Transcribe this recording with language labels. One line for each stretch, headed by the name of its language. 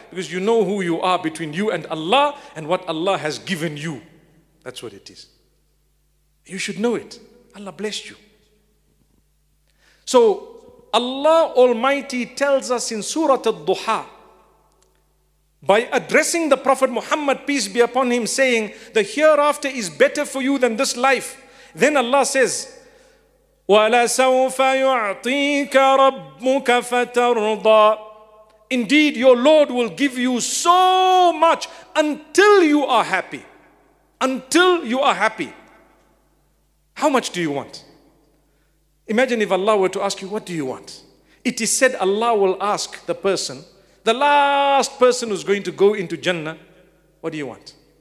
English: Because you know who you are between you and Allah and what Allah has given you. That's what it is. You should know it. Allah bless you. So Allah Almighty tells us in Surah Al-Duha, by addressing the Prophet Muhammad, peace be upon him, saying, the hereafter is better for you than this life. Then Allah says,
Arabic: وَلَسَوْفَ يُعْطِيكَ رَبُّكَ فَتَرْضَى.
English: Indeed, your Lord will give you so much until you are happy. Until you are happy. How much do you want? Imagine if Allah were to ask you, what do you want? It is said Allah will ask the person, the last person who's going to go into Jannah, what do you want?